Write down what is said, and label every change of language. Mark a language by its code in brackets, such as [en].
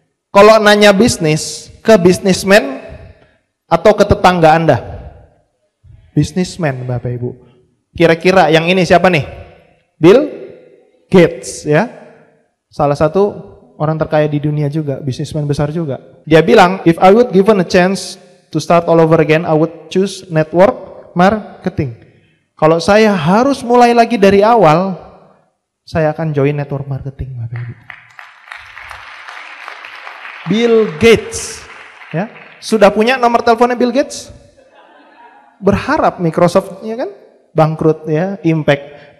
[id] Kalau nanya bisnis, ke bisnismen atau ke tetangga Anda? Bisnismen, Bapak Ibu. Kira-kira yang ini siapa nih? Bill Gates, ya. Salah satu orang terkaya di dunia juga, bisnismen besar juga. Dia bilang, [en] if I would given a chance to start all over again, I would choose network marketing. [id] Kalau saya harus mulai lagi dari awal, saya akan join network marketing, Bapak Ibu. Bill Gates, ya, sudah punya nomor teleponnya Bill Gates? Berharap Microsoft-nya kan bangkrut ya, impact.